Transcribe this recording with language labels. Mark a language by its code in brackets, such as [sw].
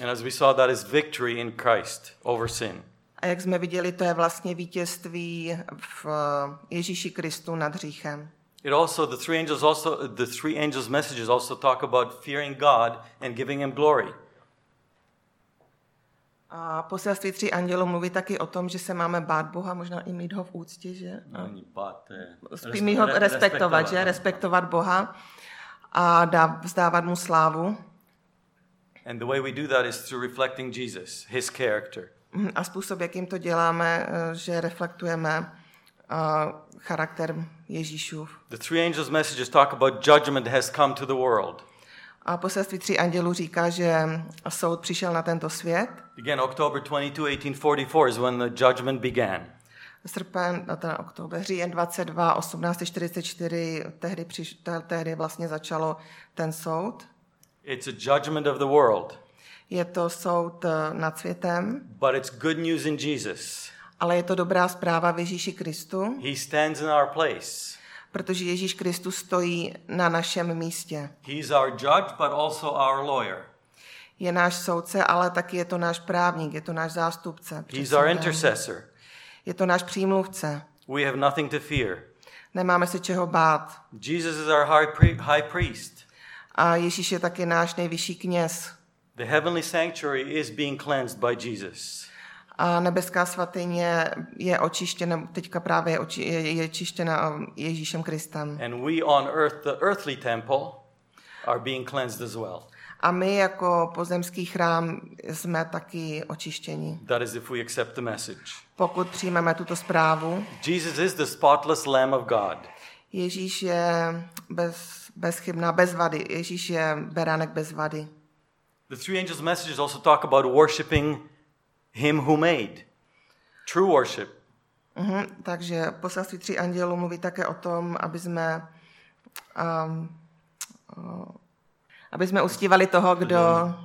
[en] And as we saw, that is victory in Christ over sin. [cs] A jak jsme viděli, to je vlastně vítězství v Ježíši Kristu nad hříchem. [en] It also the three angels' messages also talk about fearing God and giving him glory. [cs] A poselství tří andělů mluví taky o tom, že se máme bát Boha, možná i mít ho v úctě, že? Není bát, to je... Respektovat, že? Respektovat Boha a vzdávat mu slávu. [en] And the way we do that is through reflecting Jesus, his character. [cs] A způsob, jakým to děláme, že reflektujeme charakter Ježíšův. [en] The three angels' messages talk about judgment has come to the world. [cs] A poselství tří andělů říká, že soud přišel na tento svět. [en] Again, October 22, 1844 is when the judgment began. [cs] Srpen, ten oktober, říjen 22, 1844, tehdy vlastně začalo ten soud. [en] It's a judgment of the world. [cs] Je to soud nad světem. [en] But it's good news in Jesus. [cs] Ale je to dobrá zpráva v Ježíši Kristu. [en] He stands in our place. [cs] Protože Ježíš Kristus stojí na našem místě. [en] He's our judge, but also our lawyer. [cs] Je náš soudce, ale taky je to náš právník, je to náš zástupce. [en] He's our intercessor. [cs] Je to náš přímluvce. [en] We have nothing to fear. [cs] Nemáme se čeho bát. [en] Jesus is our high priest. [cs] A Ježíš je taky náš nejvyšší kněz. [en] The heavenly sanctuary is being cleansed by Jesus. [cs] A nebeská svatyně je očištěna, teďka právě je očištěna Ježíšem Kristem. [en] And we on earth, the earthly temple, are being cleansed as well. [cs] A my jako pozemský chrám jsme taky očištění. [en] That is if we accept the message. [cs] Pokud přijmeme tuto zprávu. [en] Jesus is the spotless Lamb of God. [cs] Ježíš je bezchybná, bez vady. Ježíš je beránek bez vady. [en] The three angels' messages also talk about worshiping him who made. True worship. [cs] Takže poselství tří andělů mluví také o tom, aby jsme uctívali toho, kdo...